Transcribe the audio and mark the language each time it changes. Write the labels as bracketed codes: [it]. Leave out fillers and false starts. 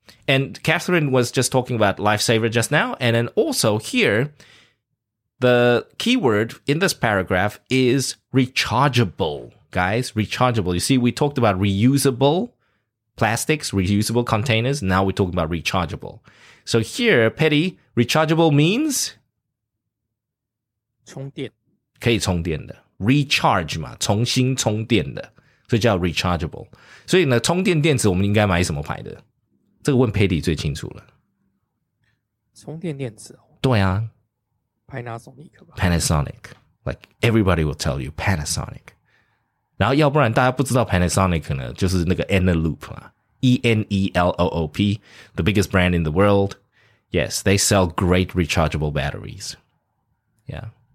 [en] And Catherine was just talking about lifesaver just now. And then also here, the keyword in this paragraph is rechargeable, guys, rechargeable. You see, we talked about reusable plastics, reusable containers. Now we're talking about rechargeable. So here, Petty, rechargeable means? [zh] 充电。可以充电的。 Recharge 嘛, 重新充电的。所以叫 rechargeable。所以呢, 充电电池我们应该买什么牌的?这个问 Petty 最清楚了。充电电池哦。对啊。 [en] Panasonic, like everybody will tell you Panasonic. [zh] 然后要不然大家不知道 Panasonic 呢，就是那个 Eneloop 啦， [en] Eneloop, the biggest brand in the world. Yes, they sell great rechargeable batteries. Yeah.